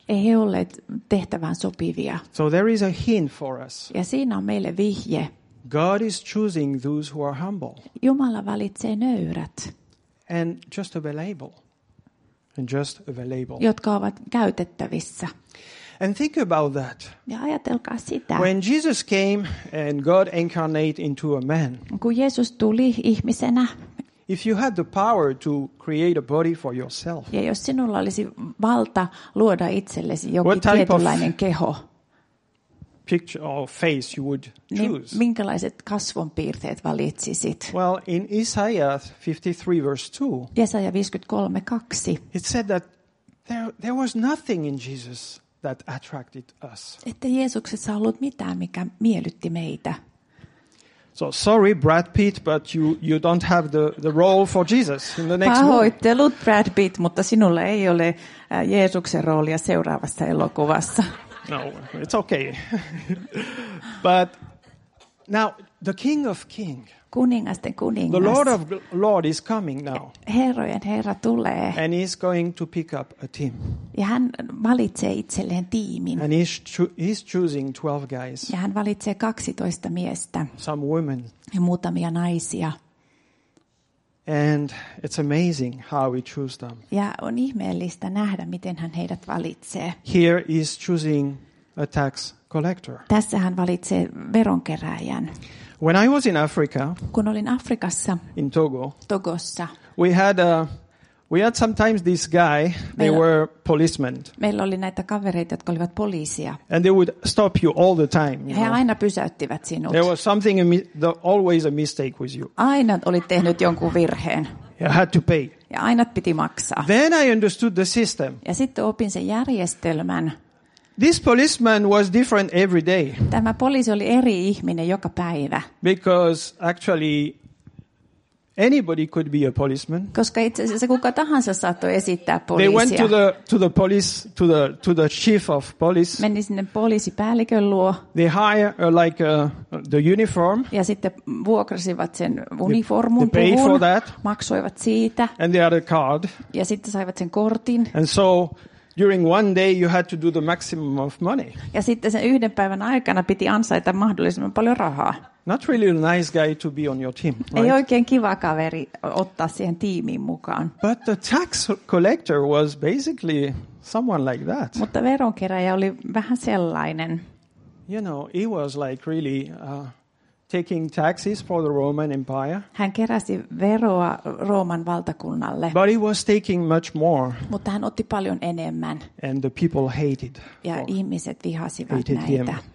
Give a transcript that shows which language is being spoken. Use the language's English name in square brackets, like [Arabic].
[Finnish] Ei he olleet tehtävään sopivia. [English] So there is a hint for us. [Finnish] Ja siinä on meille vihje. [English] God is choosing those who are humble. [Finnish] Jumala valitsee nöyrät. [English] And just available. And just available. [Finnish] Jotka ovat käytettävissä. [English] And think about that. [Finnish] Ja ajatelkaa sitä. [English] When Jesus came and God incarnate into a man. [Finnish] Kun Jeesus tuli ihmisenä. [English] If you had the power to create a body for yourself. [Finnish] Ja jos sinulla olisi valta luoda itsellesi jokin tietynlainen keho. [English] Picture or face you would choose. [Finnish] Niin, minkälaiset kasvonpiirteet valitsisit? [English] Well, in Isaiah 53:2. [Finnish] Jesaja 53:2. [English] It said that there was nothing in Jesus that attracted us. [Finnish] Että Jeesuksessa ei ollut mitään, mikä miellytti meitä. [English] So sorry, Brad Pitt, but you don't have the role for Jesus in the next movie. [Finnish] Pahoittelut, Brad Pitt, mutta sinulla ei ole Jeesuksen roolia seuraavassa elokuvassa. [English] No, it's okay. But now the King of Kings. [Finnish] Kuningasten kuningas. [English] The Lord of Lords is coming now. [Finnish] Herrojen herra tulee. [English] And he's going to pick up a team. [Finnish] Ja hän valitsee itselleen tiimin. [English] And he's choosing 12 guys. [Finnish] Ja hän valitsee 12 miestä. [English] Some women. [Finnish] Ja muutamia naisia. [English] And it's amazing how he chooses them. [Finnish] Ja on ihmeellistä nähdä, miten hän heidät valitsee. [English] Here is choosing a tax collector. [Finnish] Tässä hän valitsee veronkerääjän. [English] When I was in Africa, [Finnish] kun olin Afrikassa, [English] in Togo, [Finnish] Togossa, [English] we had sometimes this guy. They were policemen. [Finnish] Meillä oli näitä kavereita, jotka olivat poliisia. [English] And they would stop you all the time. [Finnish] He aina pysäyttivät sinut. [English] There was something always a mistake with you. [Finnish] Aina olit tehnyt jonkun virheen. [English] You had to pay. [Finnish] Ja aina piti maksaa. [English] Then I understood the system. [Finnish] Ja sitten opin sen järjestelmän. [English] This policeman was different every day. [Finnish] Tämä poliisi oli eri ihminen joka päivä. [English] Because actually anybody could be a policeman. [Finnish] Koska itse asiassa kuka tahansa saattoi esittää poliisia. [English] They went to the police to the chief of police. [Finnish] Meni sinne poliisipäällikön luo. [English] They hire the uniform. [Finnish] Ja sitten vuokrasivat sen uniformun. [English] They pay for that. [Finnish] Maksoivat siitä. [English] And they had a card. [Finnish] Ja sitten saivat sen kortin. [English] And so during one day you had to do the maximum of money. [Finnish] Ja sitten sen yhden päivän aikana piti ansaita mahdollisimman paljon rahaa. [English] Not really a nice guy to be on your team. Right? [Finnish] Ei oikein kiva kaveri ottaa siihen tiimiin mukaan. [English] But the tax collector was basically someone like that. [Finnish] Mutta veronkeräjä oli vähän sellainen. [English] You know, he was like really taking taxes for the Roman Empire. [Finnish] Hän keräsi veroa Rooman valtakunnalle. [English] But he was taking much more. [Finnish] Mutta hän otti paljon enemmän. [English] And the people hated. [Finnish] Ja ihmiset vihasivat näitä.